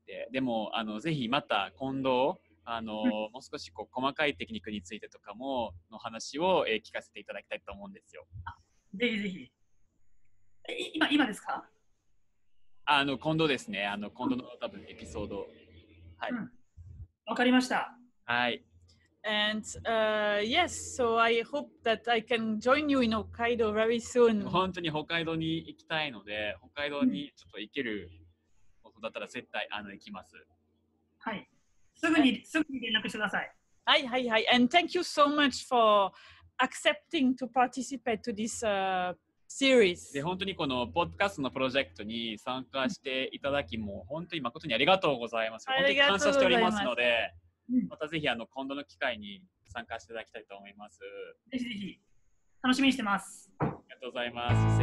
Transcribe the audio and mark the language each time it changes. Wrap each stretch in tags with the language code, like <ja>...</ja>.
<ja>でもぜひまた今度もう少しこう細かいテクニックについてとかもの話を聞かせていただきたいと思うんですよ。ぜひぜひ。今ですか？今度ですね。今度の多分エピソード。はい。わかりました。はい。</ja> <en>And yes, so I hope that I can join you in Hokkaido very soon.</en> <ja>本当に北海道に行きたいので、北海道にちょっと行けることだったら絶対行きます。はい。すぐに連絡してください。はいはいはい。</ja> <en>And thank you so much for accepting to participate to this series.</en> <ja>で本当にこのポッドキャストのプロジェクトに参加していただき、もう本当に誠にありがとうございます。本当に感謝しておりますので、またぜひ今度の機会に参加していただきたいと思います。ぜひぜひ楽しみにしてます。ありがとうございます。</ja>